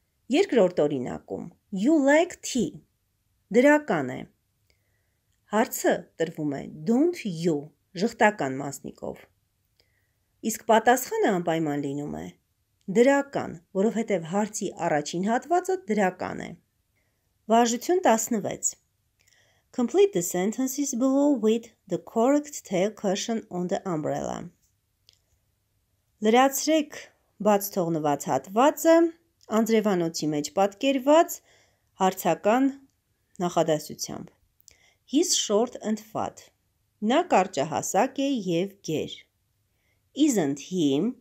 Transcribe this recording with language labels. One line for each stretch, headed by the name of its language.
Armenian: Երկրորդ օրինակում,
English: you like tea,
Armenian: դրական է. Հարցը տրվում է don't you, ժխտական մասնիկով, իսկ պատասխանը անպայման լինում է դրական, որովհետև հարցի առաջին հատվածը դրական է. Վարժություն 16.
English: Complete the sentences below with the correct tail question on the umbrella.
Armenian: Լրացրեք բաց թողնված հատվածը, անձրևանոցի մեջ պատկերված հարցական նախադասությամբ.
English: He's short and fat.
Armenian: Նա կարճահասակ է և գեր.
English: Isn't he?